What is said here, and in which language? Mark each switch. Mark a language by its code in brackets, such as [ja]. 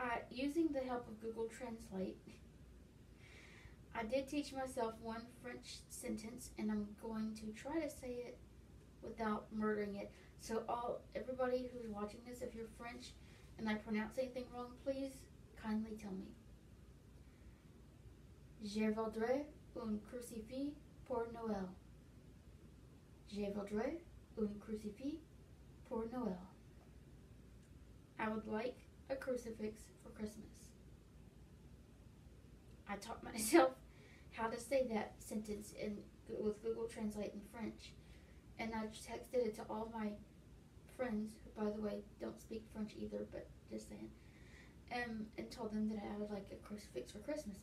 [en] Using the help of Google Translate, I did teach myself one French sentence, and I'm going to try to say it without murdering it. So everybody who's watching this, if you're French and I pronounce anything wrong, please kindly tell me. [fr] Je voudrais un crucifix pour Noël. Je voudrais un crucifix pour Noël. [en] I would like a crucifix for Christmas. I taught myself how to say that sentence with Google Translate in French. And I texted it to all my friends, who, by the way, don't speak French either, but just saying, and told them that I would like a crucifix for Christmas.